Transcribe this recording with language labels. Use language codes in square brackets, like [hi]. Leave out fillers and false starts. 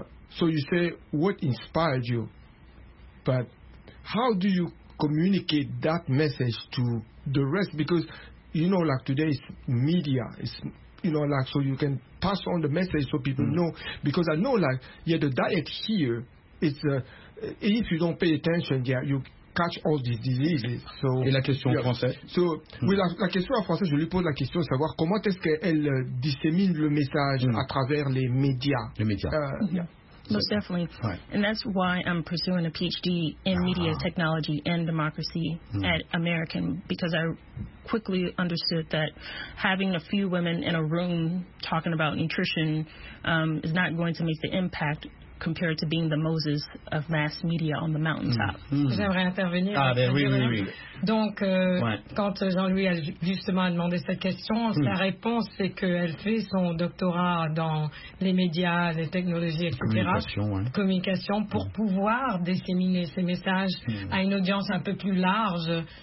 [en] So you say what inspired you, but how do you communicate that message to the rest? Because you know, like today is media, it's, you know, like so you can pass on the message so people know. Because I know, like, yeah, the diet here is if you don't pay attention, yeah, you catch all these diseases. So, [fr] et la question en français. La question en français, je lui pose la question de savoir comment est-ce qu'elle dissémine le message à travers les médias. Les médias. [en] Most definitely. Right. And that's why I'm pursuing a PhD in media technology and democracy at American, because I quickly understood that having a few women in a room talking about nutrition is not going to make the impact compared to being the Moses of mass media on the mountaintop. [fr] J'aimerais intervenir. Ah, ben oui. Donc, quand Jean-Louis justement a demandé cette question, sa réponse, c'est qu'elle fait son doctorat dans les médias, les technologies, etc. Communication, pour pouvoir disséminer ces messages à une audience un peu plus large.